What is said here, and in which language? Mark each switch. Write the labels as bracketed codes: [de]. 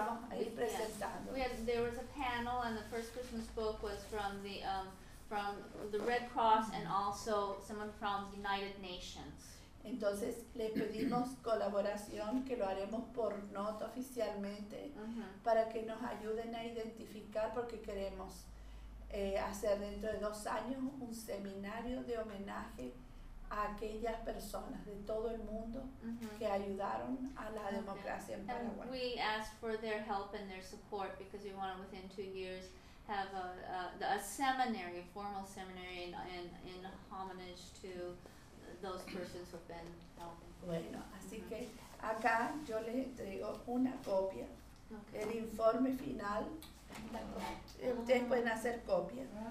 [en] There was a panel, and the first person who spoke was from the Red Cross and also someone from the United Nations. [es] Entonces le pedimos colaboración, que lo haremos por nota oficialmente, para que nos ayuden a identificar, porque queremos hacer dentro de 2 años un seminario de homenaje a aquellas personas de todo el mundo que ayudaron a la democracia en Paraguay. [en] And we ask for their help and their support because we want to, within 2 years, have a seminary, a formal seminary in homage to those persons who've been helping. [es] Bueno, así que acá yo les entrego una copia del informe final. Ustedes pueden hacer copia.